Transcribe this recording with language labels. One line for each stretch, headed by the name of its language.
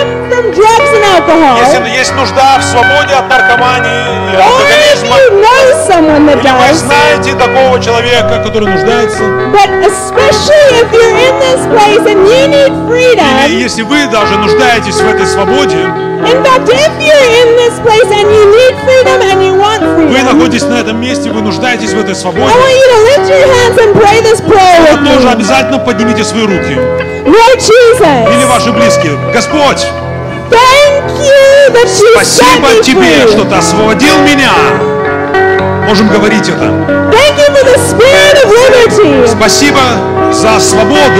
Russian: Если есть нужда в свободе от наркомании и алкоголизма, или вы знаете такого человека, который нуждается,
English: but especially if you're in this place and you need freedom,
Russian: или если вы даже нуждаетесь в этой свободе,
English: in fact, if you're in this place and you need freedom and you want freedom,
Russian: вы находитесь на этом месте, вы нуждаетесь в этой свободе,
English: I want you to lift your hands and pray this prayer with me.
Russian: Вы тоже обязательно поднимите свои руки.
English: Lord Jesus,
Russian: или ваши близкие, Господь.
English: Thank you, that you
Russian: спасибо
English: set
Russian: тебе,
English: me free.
Russian: Что ты освободил меня. Можем говорить это.
English: Thank you for the spirit of liberty.
Russian: Спасибо за свободу.